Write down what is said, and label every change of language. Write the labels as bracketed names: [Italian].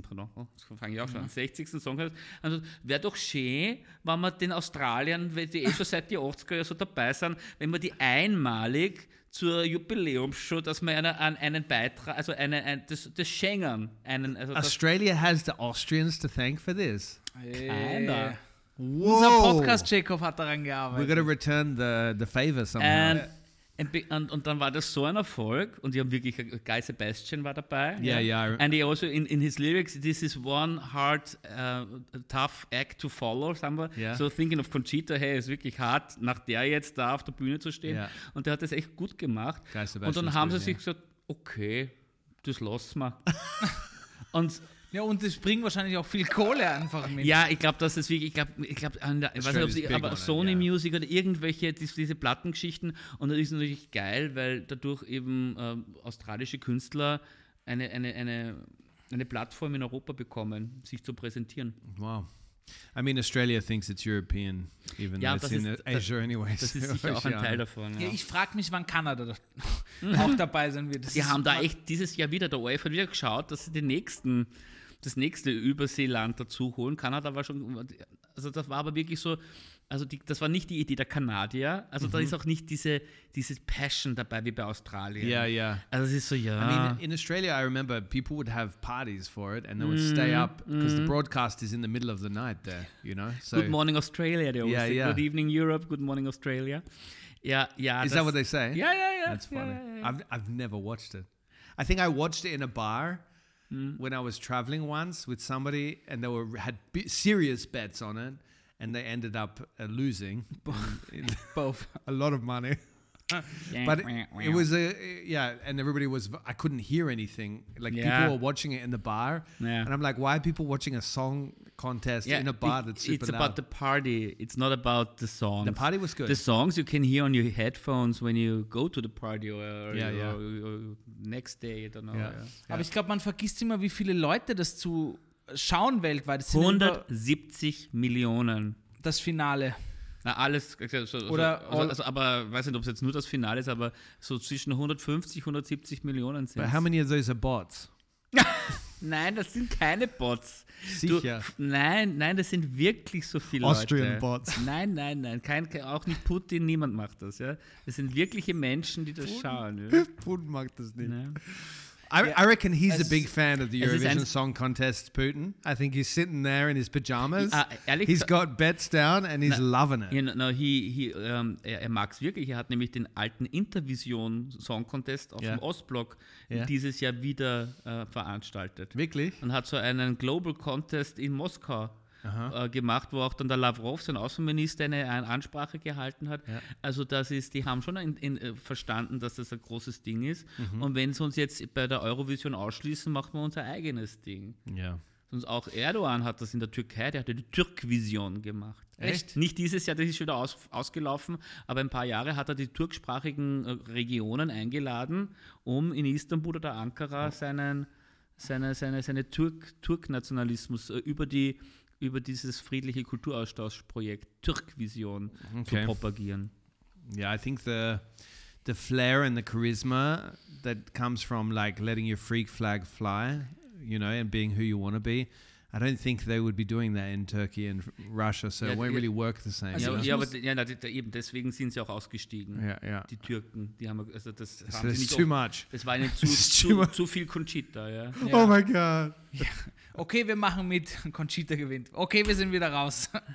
[German] Pardon, so fange ich auch schon an, 60. Song Contest. Also wäre doch schön, wenn wir den Australiern, die eh schon seit den 80er Jahren so dabei sind, wenn wir die einmalig zur Jubiläumsshow, dass wir einen Beitrag, also das schenken. Also [English] Australia has the Austrians to thank for this. [German] Keiner. Whoa. Unser Podcast-Jacob hat daran gearbeitet. [English] We're going to return the favor somehow. And [German] Und dann war das so ein Erfolg und die haben wirklich, Guy Sebastian war dabei. [English] Yeah. And he also, in his lyrics, this is one hard, tough act to follow, [German] sagen wir. [English] Yeah. So thinking of Conchita, hey, [German] ist wirklich hart, nach der jetzt da auf der Bühne zu stehen. [English] Yeah. [German] Und der hat das echt gut gemacht. Guy Sebastian. Und dann haben sie sich gesagt, okay, das lassen wir. Und ja, und es bringt wahrscheinlich auch viel Kohle einfach mit. Ja, ich glaube, das ist wirklich, ich glaube, Sony Music oder irgendwelche, diese Plattengeschichten. Und das ist natürlich geil, weil dadurch eben australische Künstler eine Plattform in Europa bekommen, sich zu präsentieren. Wow. [English] I mean, Australia thinks it's European, even [German] ja, [English] though it's in Asia anyway. [German] Das ist sicher auch ein Teil davon. Ja. Ja, ich frage mich, wann Kanada auch dabei sein wird. Die haben da echt dieses Jahr wieder, der UEFA hat wieder geschaut, dass sie das nächste Überseeland dazu holen. Kanada war schon, also das war aber wirklich so, also das war nicht die Idee der Kanadier. Also da ist auch nicht diese Passion dabei wie bei Australien. Ja, ja. Also es ist so, ja. [English] I mean, in Australia, I remember, people would have parties for it and they would stay up because the broadcast is in the middle of the night there, you know? So, good morning, Australia, they always say. Yeah. Good evening, Europe. Good morning, Australia. [German] Ja, ja. [English] Is that what they say? [German] Ja, ja, ja. [English] That's funny. I've never watched it. I think I watched it in a bar. When I was traveling once with somebody and they had serious bets on it and they ended up losing both a lot of money. But it was and everybody was, I couldn't hear anything. Like people were watching it in the bar. Yeah. And I'm like, why are people watching a song contest in a bar that's super loud? It's about the party. It's not about the songs. The party was good. The songs you can hear on your headphones when you go to the party or next day, I don't know. Yeah. [German] Aber ich glaube, man vergisst immer, wie viele Leute das zu schauen weltweit. Das 170 Millionen. Das Finale. Na, alles, also, aber weiß nicht, ob es jetzt nur das Finale ist, aber so zwischen 150, 170 Millionen sind. [English] But how many of those are bots? [German] Nein, das sind keine Bots. Sicher? Nein, das sind wirklich so viele [English] Austrian [German] Leute. [English] Austrian Bots. [German] Nein. Auch nicht Putin, niemand macht das. Ja? Das sind wirkliche Menschen, die das schauen. Ja? Putin macht das nicht. Nein. [English] I reckon he's a big fan of the Eurovision Song Contest, Putin. I think he's sitting there in his pajamas. He's got bets down and he's loving it. You know, no, [German] er mag es wirklich. Er hat nämlich den alten Intervision Song Contest aus dem Ostblock dieses Jahr wieder veranstaltet. Wirklich? Und hat so einen Global Contest in Moskau gemacht, wo auch dann der Lavrov, sein Außenminister, eine Ansprache gehalten hat. Ja. Also das ist, die haben schon verstanden, dass das ein großes Ding ist. Mhm. Und wenn sie uns jetzt bei der Eurovision ausschließen, machen wir unser eigenes Ding. Ja. Sonst auch Erdogan hat das in der Türkei, der hat die Türkvision gemacht. Echt? Nicht dieses Jahr, das ist schon wieder ausgelaufen, aber ein paar Jahre hat er die türksprachigen Regionen eingeladen, um in Istanbul oder Ankara seine Turk-Nationalismus über dieses friedliche Kulturaustauschprojekt Türkvision zu propagieren. [English] Yeah, I think the flair and the charisma that comes from like letting your freak flag fly, you know, and being who you want to be. I don't think they would be doing that in Turkey and Russia, so it won't really work the same. [German] Also, ja, aber eben deswegen sind sie auch ausgestiegen. [English] Yeah. [German] Die Türken, die haben also das so haben sie nicht. [English] Too much. [German] Das war ihnen zu viel Conchita, ja. [English] Oh my god. [German] Ja. Okay, wir machen mit. Conchita gewinnt. Okay, wir sind wieder raus.